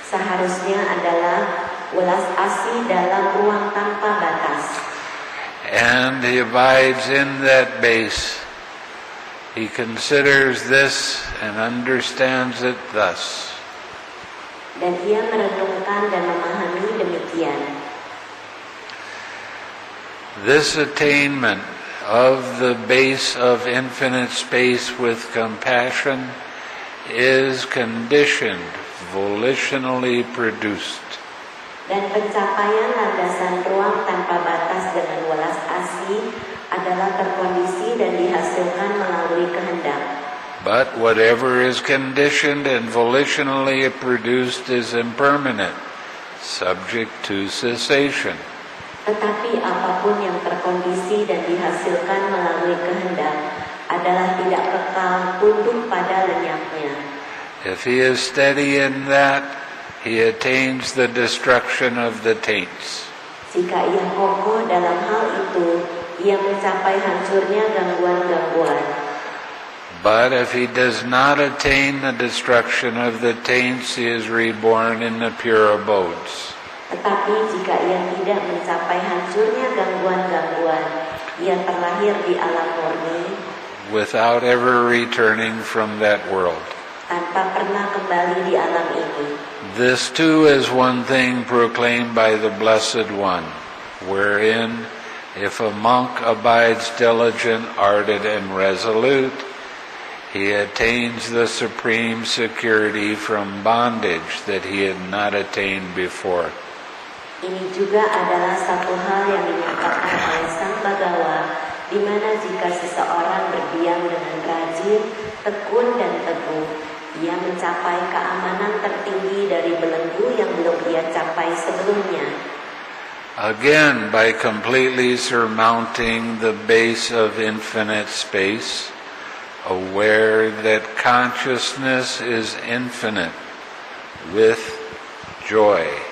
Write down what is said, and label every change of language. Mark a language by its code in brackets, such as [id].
[id] Seharusnya adalah welas asih dalam ruang tanpa batas. [en] And he abides in that base. He considers this and understands it thus. [id] Dan ia merenungkan dan memahami demikian. [en] This attainment of the base of infinite space with compassion is conditioned, volitionally produced. [id] Dan pencapaian landasan ruang tanpa batas dengan welas asih adalah terkondisi dan dihasilkan melalui kehendak. [en] But whatever is conditioned and volitionally produced is impermanent, subject to cessation. [id] Tetapi apapun yang terkondisi dan dihasilkan melalui kehendak adalah tidak kekal, tunduk pada lenyapnya. [en] If he is steady in that, he attains the destruction of the taints. [id] Jika ia kokoh dalam hal itu, ia mencapai hancurnya gangguan-gangguan. [en] But if he does not attain the destruction of the taints, he is reborn in the pure abodes. [id] Tetapi jika ia tidak mencapai hancurnya gangguan-gangguan, ia terlahir di alam murni. [en] Without ever returning from that world. [id] Tanpa pernah kembali di alam ini. [en] This too is one thing proclaimed by the Blessed One, wherein if a monk abides diligent, ardent, and resolute, he attains the supreme security from bondage that he had not attained before. [id] Ini juga adalah satu hal yang dinyatakan oleh Sang Bhagawa, di mana jika seseorang berdiam dengan rajin, tekun dan teguh, ia mencapai keamanan tertinggi dari belenggu yang belum ia capai sebelumnya. [en] Again, by completely surmounting the base of infinite space, aware that consciousness is infinite with joy.